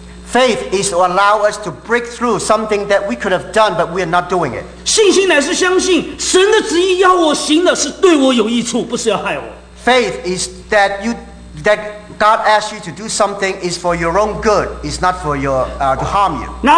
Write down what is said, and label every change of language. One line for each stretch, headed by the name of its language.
English: Faith is to allow us to break through something that we could have done, but we are not doing it.
Chinese: 信心乃是相信神的旨意要我行的是对我有益处，不是要害我。
English: Faith is that you that God asks you to do something is for your own good, is not for your to harm you.